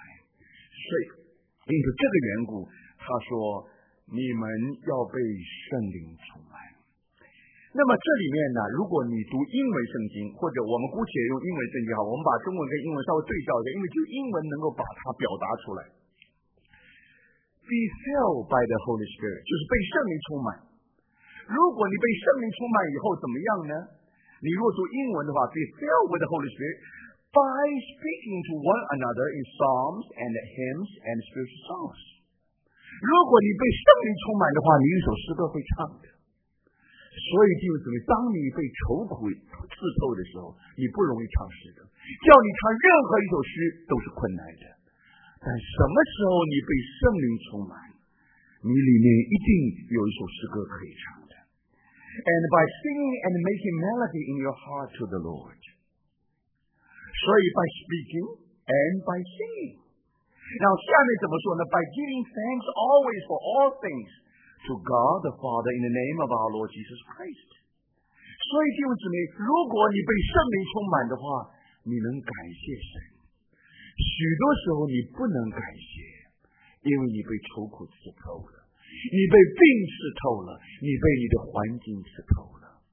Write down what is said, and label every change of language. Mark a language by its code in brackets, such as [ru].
[zh] 所以因此这个缘故，他说你们要被圣灵充满。那么这里面呢，如果你读英文圣经，或者我们姑且用英文圣经好，我们把中文跟英文稍微对照一下，因为就英文能够把它表达出来。 [en] Be filled by the Holy Spirit， [zh] 就是被圣灵充满。如果你被圣灵充满以后怎么样呢？你若读英文的话， [en] Be filled with the Holy Spirit by speaking to one another in psalms and hymns and spiritual songs。 [zh] 如果你被圣灵充满的话，你一首诗歌会唱的。所以弟兄姊妹，当你被愁苦刺透的时候，你不容易唱诗歌，叫你唱任何一首诗都是困难的。但什么时候你被圣灵充满，你里面一定有一首诗歌可以唱的。 [en] And by singing and making melody in your heart to the Lord。 [zh] 所以 [en] by speaking and by singing。 [zh] 然后下面怎么说呢？ [en] By giving thanks always for all things to God the Father in the name of our Lord Jesus Christ。 [zh] 所以弟兄姊妹，如果你被圣灵充满的话，你能感谢神。许多时候你不能感谢，因为你被愁苦刺透了，你被病刺透了，你被你的环境刺透了。